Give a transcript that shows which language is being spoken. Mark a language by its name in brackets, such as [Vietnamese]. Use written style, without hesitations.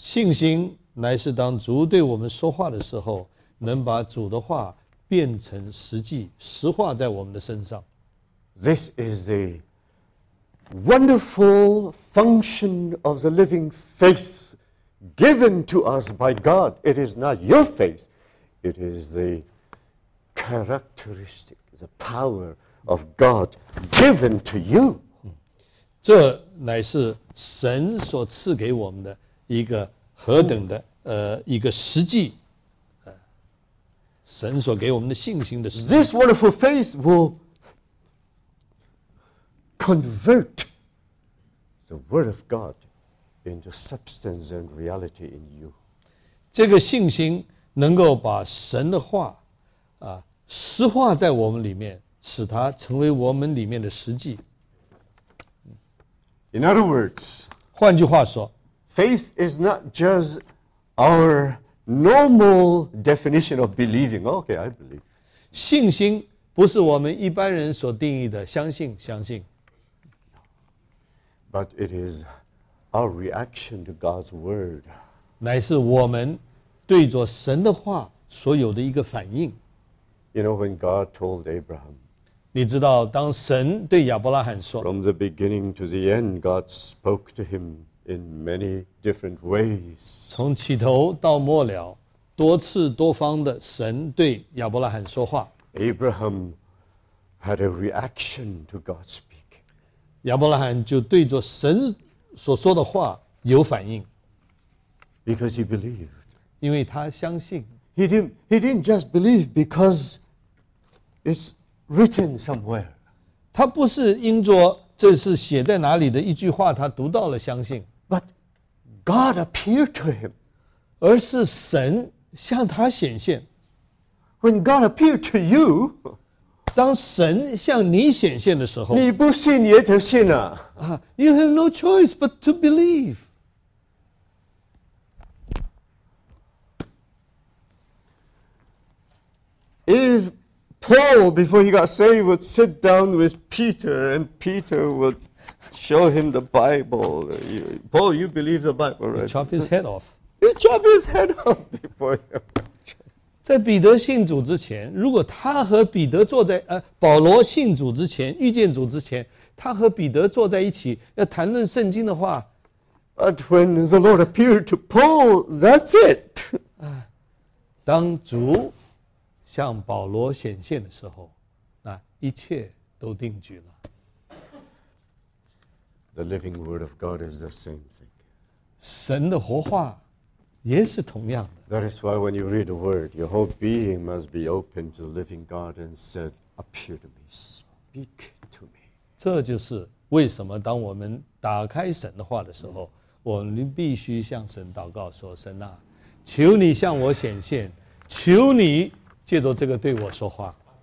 [Chinese] 信心乃是当主对我们说话的时候，能把主的话变成实际，实化在我们的身上。 [English] This is the wonderful function of the living faith given to us by God. It is not your faith. It is the characteristic, the power of God given to you. [Chinese] 这乃是神所赐给我们的一个何等的一个实际，神所给我们的信心的实际。 [English] This wonderful faith will convert the word of God into substance and reality in you. [Chinese] 这个信心能够把神的话实化在我们里面，使它成为我们里面的实际。 [English] In other words, [Chinese] 换句话说， [English] faith is not just our normal definition of believing. Okay, I believe. [Chinese] 信心不是我们一般人所定义的相信，相信。 [English] But it is our reaction to God's word. [Chinese] 乃是我们对着神的话所有的一个反应。 [English] You know, when God told Abraham, [Chinese] 你知道当神对亚伯拉罕说， [English] From the beginning to the end, God spoke to him in many different ways. [Chinese] 从起头到末了，多次多方的神对亚伯拉罕说话。 [English] Abraham had a reaction to God speaking. [Chinese] 亚伯拉罕就对着神所说的话有反应。 [English] Because he believed. [Chinese] 因为他相信。 [English] He didn't just believe because it's written somewhere. [Chinese] 他不是因着这是写在哪里的一句话他读到了相信。 [English] But God appeared to him. [Chinese] 而是神向他显现。 [English] When God appeared to you, [Chinese] 当神向你显现的时候，你不信也得信啊。 [English] You have no choice but to believe. If Paul, before he got saved, would sit down with Peter, and Peter would show him the Bible. Paul, you believe the Bible, right? He'd chop his head off. He'd chop his head off before him. [Chinese] 在彼得信主之前，如果他和彼得坐在保罗信主之前，遇见主之前，他和彼得坐在一起，要谈论圣经的话。 [English] But when the Lord appeared to Paul, that's it. [Chinese] 当主向保罗显现的时候，那一切都定局了。 [English] The living word of God is the same thing. [Chinese] 神的活话也是同样的。 [English] That is why when you read the word, your whole being must be open to the living God and said, appear to me, speak to me. [Chinese] 这就是为什么当我们打开神的话的时候，我们必须向神祷告说，神啊，求你向我显现，求你借着这个对我说话。